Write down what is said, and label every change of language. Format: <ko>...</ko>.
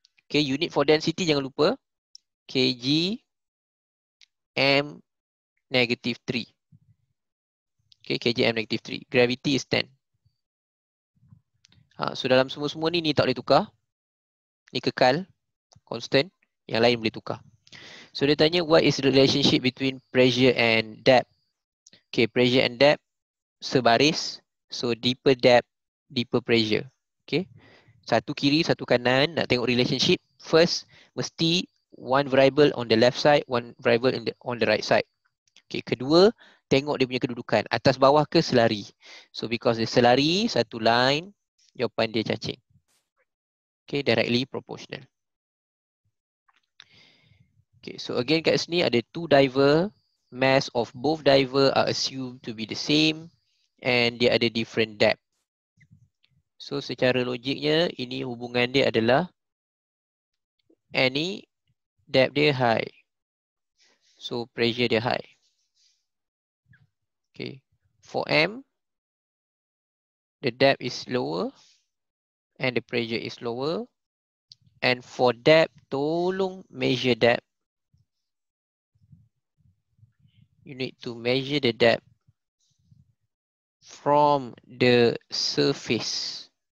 <en>Okay, unit for density</en> <ms>jangan lupa</ms> <en>kg m negative 3. Okay, kg m negative 3, gravity is 10.</en> <ms>Ha, so dalam semua-semua ni tak boleh tukar, ni kekal constant, yang lain boleh tukar.</ms> <en>So</en> <ms>dia tanya</ms> <en>what is the relationship between pressure and depth. Okay, pressure and depth</en> <ms>sebaris,</ms> <en>so deeper depth, deeper pressure. Okay,</en> <ms>satu kiri, satu kanan. Nak tengok</ms> <en>relationship, first mesti one variable on the left side, one variable in the, on the right side.</en> <ms>Okay, kedua, tengok dia punya kedudukan, atas bawah ke selari.</ms> <en>So because</en> <ms>dia selari, satu line, jawapan dia cacing.</ms> <en>Okay, directly proportional. Okay, so again</en> <ms>kat sini ada</ms> <en>two diver, mass of both diver are assumed to be the same. And</en> <ms>dia ada</ms> <en>different depth. So</en> <ms>secara logiknya, ini hubungan dia adalah any depth dia high, so pressure dia high.</ms> <en>Okay, for M, the depth is lower and the pressure is lower. And for depth,</en> <ms>tolong</ms> <en>measure depth. You need to measure the depth from the surface.</en>